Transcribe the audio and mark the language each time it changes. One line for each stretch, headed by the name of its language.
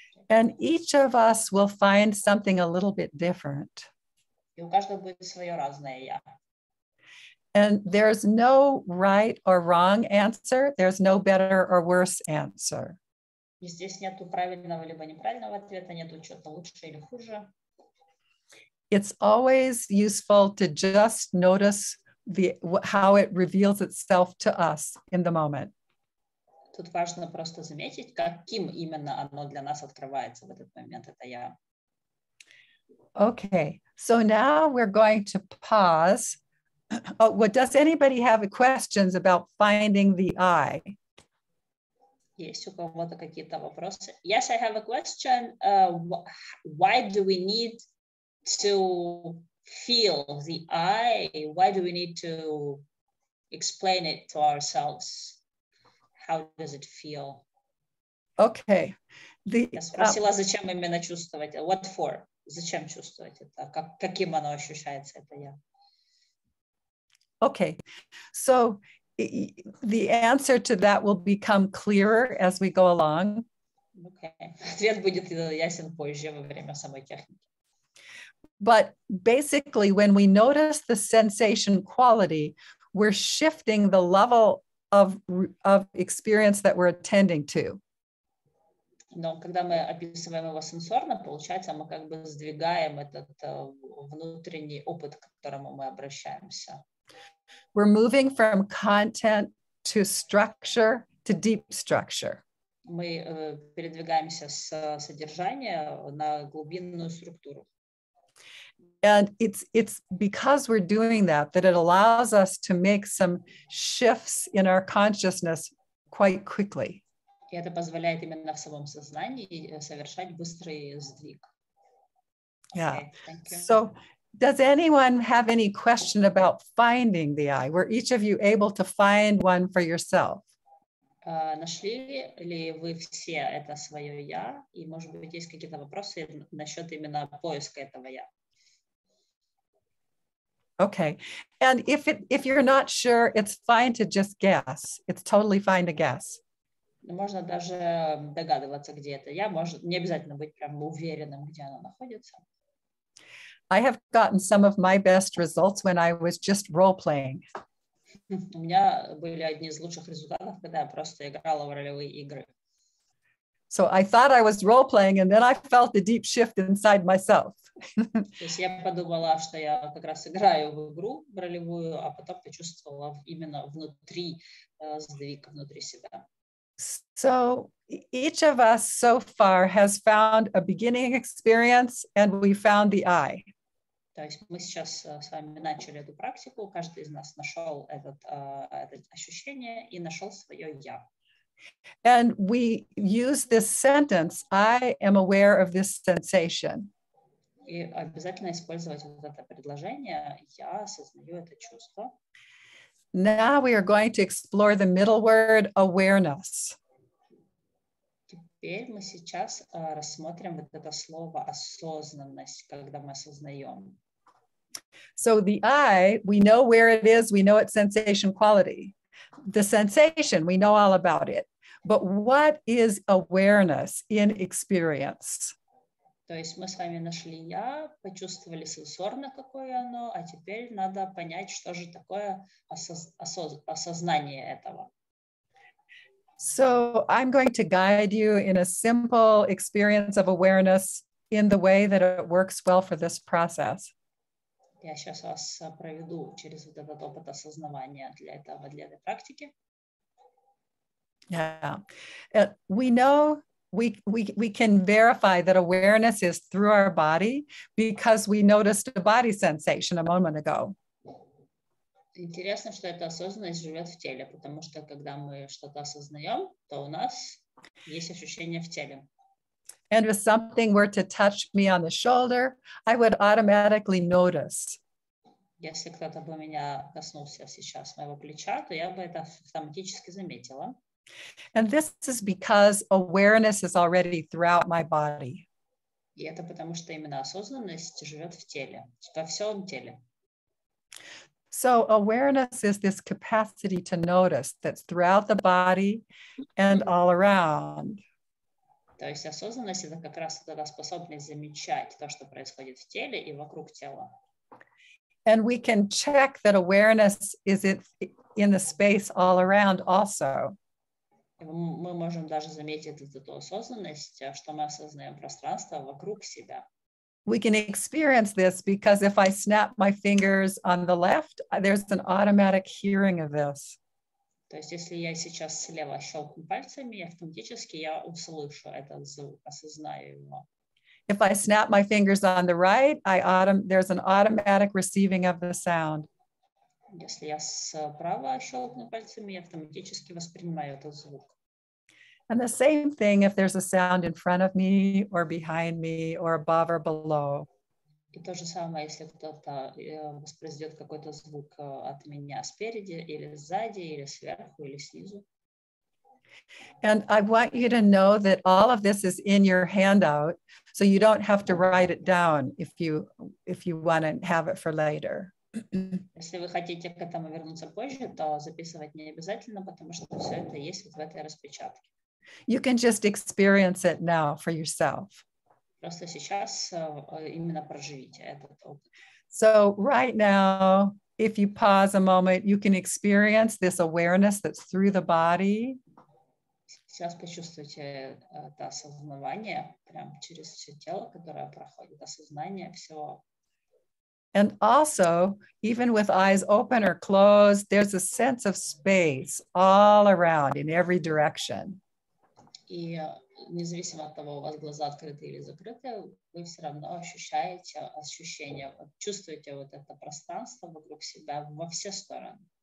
English: And each of us will find something a little bit different.
Russian: И у каждого будет своё разное я.
English: And there's no right or wrong answer, there's no better or worse answer.
Russian: И здесь нету правильного либо неправильного ответа, нету чего-то лучше или хуже.
English: It's always useful to just notice how it reveals itself to us in the moment.
Russian: Тут важно просто заметить, каким именно оно для нас открывается в этот момент, это я.
English: Okay, so now we're going to pause. Oh, well, does anybody have questions about finding the eye?
Russian: Есть у кого-то какие-то вопросы?
English: Yes, I have a question. Why do we need to feel the eye? Why do we need to explain it to ourselves? How does it feel? Okay.
Russian: Я спросила, зачем именно чувствовать?
English: What for?
Russian: Зачем чувствовать это? Как, каким оно ощущается, это я?
English: Okay. So the answer to that will become clearer as we go along. Okay.
Russian: Ответ будет ясен позже во время самой техники.
English: But basically, when we notice the sensation quality, we're shifting the level of experience that we're attending to.
Russian: Но когда мы описываем его сенсорно, получается, мы как бы сдвигаем этот внутренний опыт, к которому мы обращаемся.
English: We're moving from content to structure to deep structure.
Russian: Мы передвигаемся с содержания на глубинную структуру.
English: And it's because we're doing that that it allows us to make some shifts in our consciousness quite quickly.
Russian: И это позволяет именно в самом сознании совершать быстрый сдвиг.
English: Okay, yeah. So does anyone have any question about finding the eye? Were each of you able to find one for yourself?
Russian: Нашли ли вы все это свое я? И может быть есть какие-то вопросы насчет именно поиска этого я?
English: Okay. And if you're not sure, it's fine to just guess. It's totally fine to guess.
Russian: Можно даже догадываться, где это я. Может, не обязательно быть прям уверенным, где оно находится.
English: I have gotten some of my best results when I was just role-playing.
Russian: У меня были одни из лучших результатов, когда я просто играла в ролевые игры.
English: So I thought I was role-playing, and then I felt a deep shift inside myself.
Russian: То есть я подумала, что я как раз играю в игру ролевую, а потом почувствовала именно внутри сдвиг, внутри себя.
English: So each of us so far has found a beginning experience and we found the eye.
Russian: То есть мы сейчас с вами начали эту практику, каждый из нас нашел этот, это ощущение и нашел свое я.
English: And we use this sentence, I am aware of this sensation.
Russian: И обязательно использовать вот это предложение, я осознаю это чувство.
English: Now we are going to explore the middle word, awareness.
Russian: Теперь мы сейчас рассмотрим вот это слово осознанность, когда мы осознаем.
English: So the eye, we know where it is, we know its sensation quality. The sensation, we know all about it. But what is awareness in experience?
Russian: То есть мы с вами нашли я, почувствовали сенсорно, какое оно, а теперь надо понять, что же такое осознание этого.
English: So I'm going to guide you in a simple experience of awareness in the way that it works well for this process.
Russian: Я сейчас вас проведу через вот этот опыт осознавания для этого, для этой практики.
English: Yeah. We know... We can verify that awareness is through our body because we noticed a body sensation a moment ago.
Russian: Интересно, что эта осознанность живет в теле, потому что когда мы что-то осознаем, то у нас есть ощущение в теле.
English: And if something were to touch me on the shoulder, I would automatically notice.
Russian: Если кто-то бы меня коснулся сейчас моего плеча, то я бы это автоматически заметила.
English: And this is because awareness is already throughout my body.
Russian: И это потому, что именно осознанность живет в теле, во всем теле.
English: So awareness is this capacity to notice that's throughout the body and all around.
Russian: То есть осознанность — это как раз эта способность замечать то, что происходит в теле и вокруг тела.
English: And we can check that awareness is in the space all around also.
Russian: Мы можем даже заметить эту осознанность, что мы осознаем пространство вокруг себя.
English: We can experience this because if I snap my fingers on the left, there's an automatic hearing of this.
Russian: То есть если я сейчас слева щелкну пальцами, автоматически я услышу этот звук, осознаю его.
English: If I snap my fingers on the right, there's an automatic receiving of the sound.
Russian: Если я справа щелкну пальцами, я автоматически воспринимаю этот звук.
English: And the same thing if there's a sound in front of me or behind me or above or below.
Russian: И то же самое, если кто-то воспроизведет какой-то звук от меня спереди или сзади или сверху или снизу.
English: And I want you to know that all of this is in your handout, so you don't have to write it down if you want to have it for later.
Russian: Если вы хотите к этому вернуться позже, то записывать не обязательно, потому что все это есть вот в этой распечатке.
English: You can just experience it now for yourself.
Russian: Просто сейчас именно проживите этот опыт.
English: So right now, if you pause a moment, you can experience this awareness that's through the body.
Russian: Сейчас почувствуйте это осознавание прям через все тело, которое проходит, осознание всего.
English: And also, even with eyes open or closed, there's a sense of space all around in every direction.
Russian: И независимо от того, у вас глаза открыты или закрыты, вы все равно ощущаете ощущение, чувствуете вот это пространство вокруг себя во все стороны.